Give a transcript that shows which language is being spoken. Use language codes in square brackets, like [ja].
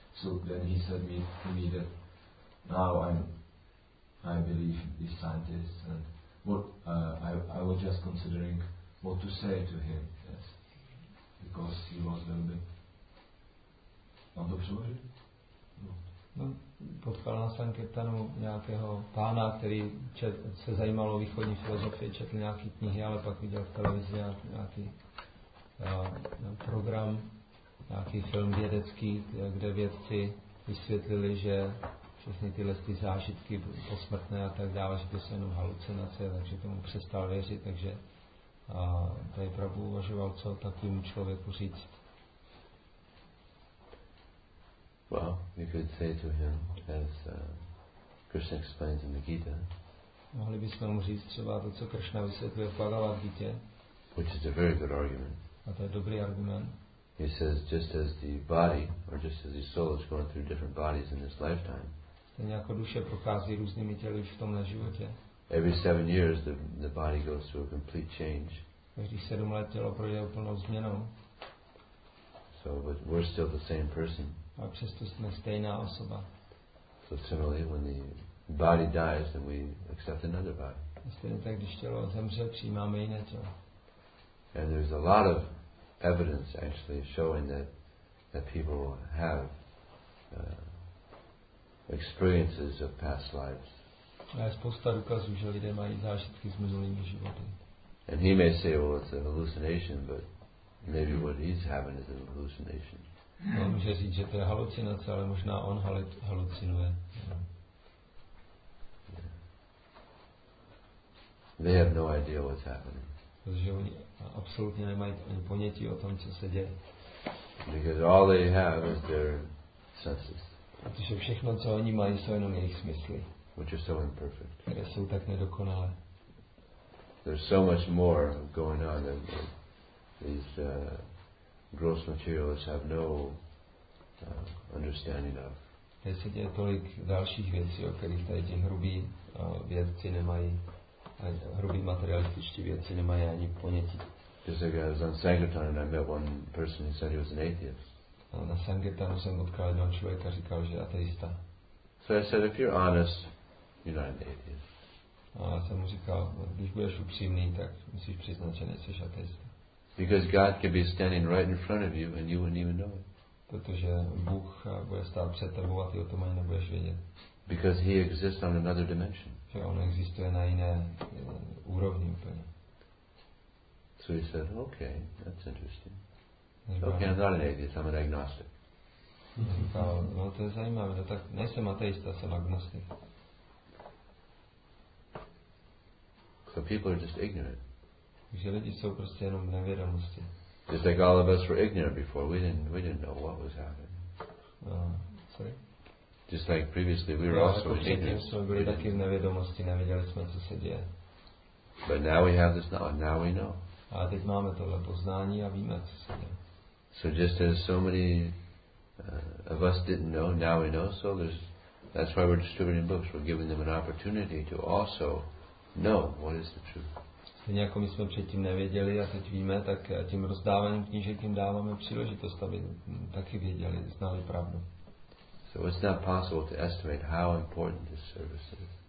[en] So then he said to me that now I believe these scientists, and what I was just considering what to say to him, yes, because he was a little bit unobservant. [cs] No, potkal na Sankirtanu nějakého pána, který se zajímal o východní filozofii, četl nějaké knihy, ale pak viděl v televizi nějaký program, nějaký film vědecký, kde vědci vysvětlili, že všechny tyhle ty zážitky posmrtné a tak dále, že to jsou jenom halucinace, takže tomu přestal věřit, takže tady pravdu uvažoval, co takovému člověku říct. [en] Well, we could say to him, as Krishna explains in the Gita, [cs] mohli bychom mu říct třeba to, co Krishna vysvětluje v Bhagavad-gítě, [en] which is a very good argument. [cs] A to je dobrý argument. [en] He says, just as the body, or just as the soul is going through different bodies in this lifetime, [cs] stejně jako duše prochází různými těly v tomhle životě, [en] every 7 years the body goes through a complete change. [cs] Každých 7 let tělo projde úplnou změnou. [en] So, but we're still the same person. [cs] A přesto jsme stejná osoba. [en] So similarly, when the body dies, then we accept another body. [cs] A stejně tak, když tělo zemře, přijímáme jiné tělo. [en] And there's a lot of evidence actually showing that people have experiences of past lives. [cs] A je spousta důkazů, že lidé mají zážitky z minulých životů. [en] And he may say, well, it's a hallucination, but maybe what he's having is a hallucination. [cs] On může říct, že to je halucinace, ale možná on halucinuje. [en] They have no idea what's happening. [cs] Protože oni absolutně nemají ani ponětí o tom, co se děje. [en] Because all they have is their senses. [cs] Protože všechno, co oni mají, jsou jenom jejich smysly. [en] Which are so imperfect. [cs] Které jsou tak nedokonalé. [en] There's so much more going on than these gross materialists have no understanding of. [cs] Teď se děje tolik dalších věcí, o kterých tady ti hrubí vědci nemají, hrubí materialističtí vědci nemají ani ponětí. [en] Just like I was on Sankirtan and I met one person who said he was an atheist. [cs] Na Sankirtanu jsem potkal jednoho člověka, říkal, že je ateista. [en] So I said, if you're honest, you're not an atheist. [cs] A já jsem mu říkal, když budeš upřímný, tak musíš přiznat, že nejsi ateista. [en] Because God could be standing right in front of you and you wouldn't even know it. [cs] Protože Bůh bude stát před tebou a ty o tom ani nebudeš vědět. [en] Because he exists on another dimension. [cs] Že on existuje na jiné úrovni úplně. [en] So he said, okay, that's interesting. Okay, I'm not an atheist, I'm an agnostic. [cs] Říkal, no to je zajímavé, no tak nejsem ateista, jsem agnostik. [en] So people are just ignorant. [cs] Že lidi jsou prostě jenom nevědomosti. [en] Just like all of us were ignorant before, we didn't know what was happening. Just like previously, we were also ignorant. [cs] Taky v nevědomosti, nevěděli jsme, co se děje. [en] But now we have this knowledge. Now we know. [cs] A teď máme tohle poznání a víme, co se děje. [en] So just as so many of us didn't know, now we know. So that's why we're distributing books. We're giving them an opportunity to also know what is the truth. [cs] Stejně jako my jsme předtím nevěděli a teď víme, tak tím rozdáváním knížek jim dáváme příležitost, aby taky věděli, znali pravdu. [en] So it's not possible to estimate how important this service is.